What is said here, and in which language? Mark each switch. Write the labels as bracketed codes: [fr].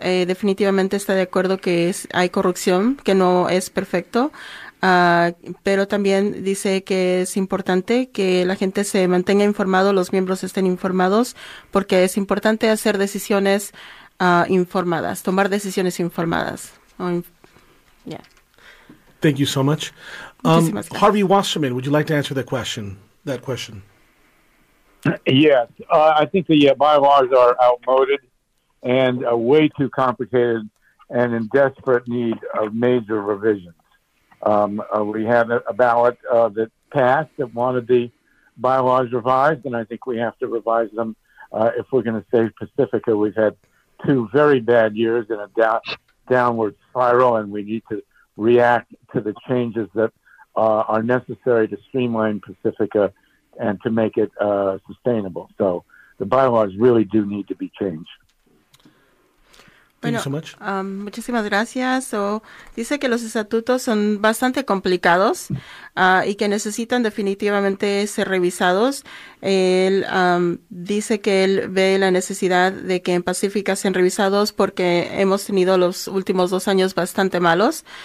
[es] Definitivamente está de acuerdo que hay corrupción, que no es perfecto. Pero también dice que es importante que la gente se mantenga informado, los miembros estén informados, porque es importante hacer decisiones informadas, tomar decisiones informadas. [en] Thank you so much. Harvey Wasserman, would you like to answer that question? Yes. I think the bylaws are outmoded and way too complicated and in desperate need of major revisions. We had a ballot that passed that wanted the bylaws revised, and I think we have to revise them if we're going to save Pacifica. We've had two very bad years in a downward spiral, and we need to react to the changes that are necessary to streamline Pacifica and to make it sustainable. So the bylaws really do need to be changed. Thank you so much. [es] Muchísimas gracias. So, dice que los estatutos son bastante complicados y que necesitan definitivamente ser revisados. Él dice que él ve la necesidad de que en Pacífica sean revisados porque hemos tenido los últimos dos años bastante malos.